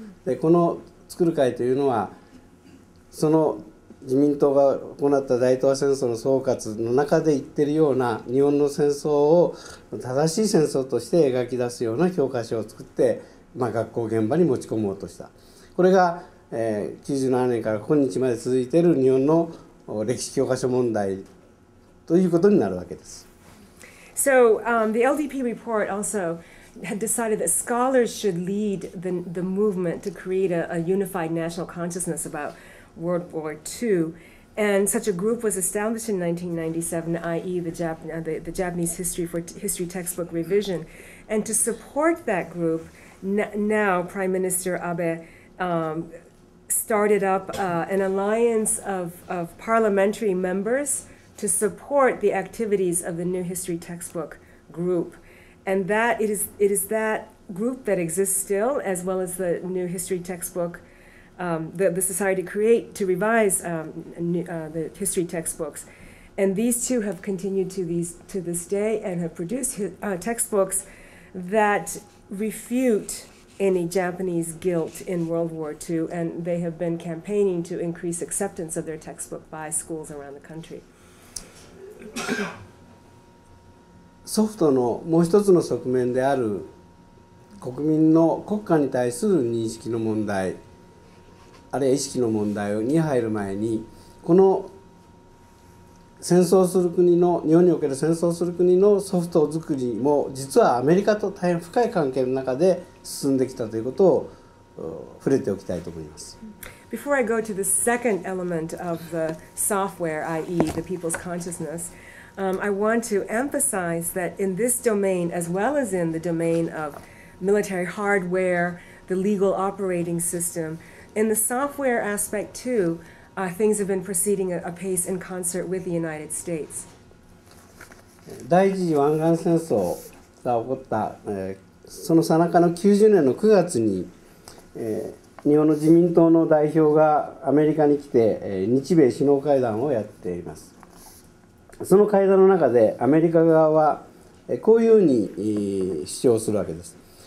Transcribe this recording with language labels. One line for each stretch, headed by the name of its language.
Japanese: でこの作る会というのは、その自民党が行った大東亜戦争の総括の中で言ってるような、日本の戦争を正しい戦争として描き出すような教科書を作って、まあ、学校現場に持ち込もうとした。これが、97年から今日まで続いている日本の歴史教科書問題ということになるわけです。
English: So, the LDP report also had decided that scholars should lead the movement to create a unified national consciousness about World War II. And such a group was established in 1997, i.e. the Japanese History for History Textbook Revision. And to support that group,Now, Prime Minister Abe started up an alliance of parliamentary members to support the activities of the New History Textbook Group. And that it is that group that exists still, as well as the New History Textbook, the society to create, to revise the history textbooks. And these two have continued to this day and have produced textbooks that refute any Japanese guilt in World War II, and they have been campaigning to increase acceptance of their textbook by schools around the country.
Japanese: ソフトのもう一つの側面である国民の国家に対する認識の問題、あるいは意識の問題に入る前に、この戦争する国の、日本における戦争する国のソフト作りも実はアメリカと大変深い関係の中で進んできたということを触れておきたいと思います。
English: Before I go to the second element of the software, i.e. the people's consciousness,I want to emphasize that in this domain, as well as in the domain of military hardware, the legal operating system, in the software aspect too, things have been proceeding at a pace in concert with the United States.
Japanese: 第一次湾岸戦争が起こった、その最中の90年の9月に、日本の自民党の代表がアメリカに来て、日米首脳会談をやっています。その会談の中でアメリカ側はこういうふうに主張するわけです。